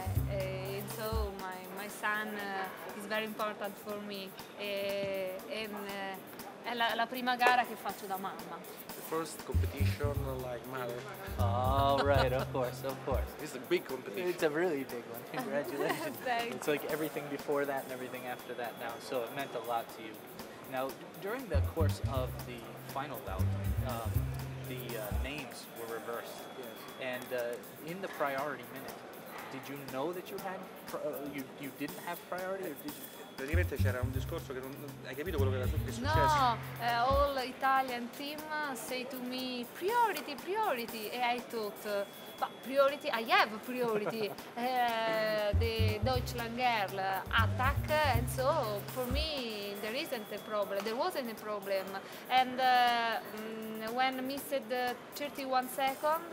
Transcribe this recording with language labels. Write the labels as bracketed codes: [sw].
[en] And so my son is very important for me. [it] È la prima gara che faccio da mamma. [en] First competition like mother. Oh, right, of course. It's a big competition. It's a really big one. Congratulations. Thanks. It's like everything before that and everything after that now, so it meant a lot to you. Now, during the course of the final bout, the names were reversed. Yes. And in the priority minute, did you know that you had you didn't have priority, or did you? [it] Praticamente c'era un discorso che non hai capito quello che era successo. [en] No, all Italian team say to me priority, and I thought, but priority, I have priority. the Deutschland girl attack, and so for me there isn't a problem. There wasn't a problem, and when missed 31 seconds,